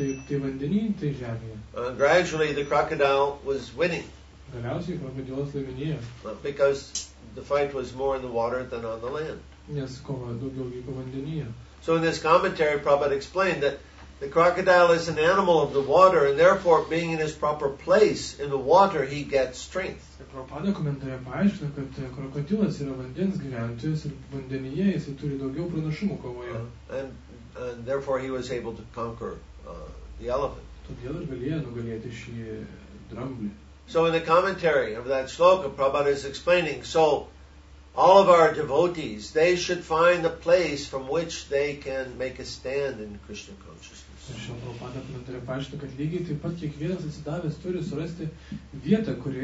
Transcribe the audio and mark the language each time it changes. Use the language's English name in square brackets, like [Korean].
[English] Gradually, the crocodile was winning. Because the fight was more in the water than on the land. [Lithuanian] Nes kova daugiau vyko vandenyje. [English] So in this commentary, Prabhupada explained that the crocodile is an animal of the water, and therefore, being in his proper place in the water, he gets strength. [Lithuanian] Prabhupada komentare paaiškino, kad krokodilas yra vandens gyventojas, ir vandenyje jis turi daugiau pranašumų kovoje. [English] And therefore, he was able to conquer the elephant. [Lithuanian] Todėl ir galėjo nugalėti šį dramblį. [English] So in the commentary of that shloka, Prabhupada is explaining, so all of our devotees, they should find a place from which they can make a stand in Krishna consciousness.